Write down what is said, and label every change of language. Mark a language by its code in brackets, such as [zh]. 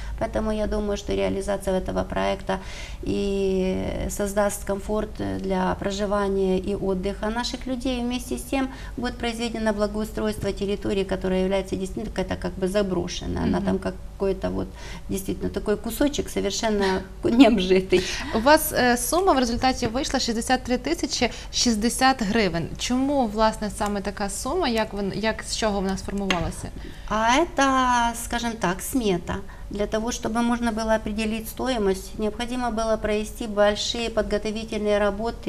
[ru] Поэтому я думаю, что реализация этого проекта и создаст комфорт для проживания и отдыха наших людей. Вместе с тем будет произведено благоустройство территории, которая является действительно какая-то как бы заброшенная. Она там какой-то вот действительно такой кусочек совершенно не обжитый. [uk] У вас сума в результаті вийшла 63 тисячі 60 гривень. Чому, власне, саме така сума? Як з чого вона сформувалася? [ru] А це, скажем так, смета. Для того, чтобы можно было определить стоимость, необходимо было провести большие подготовительные работы.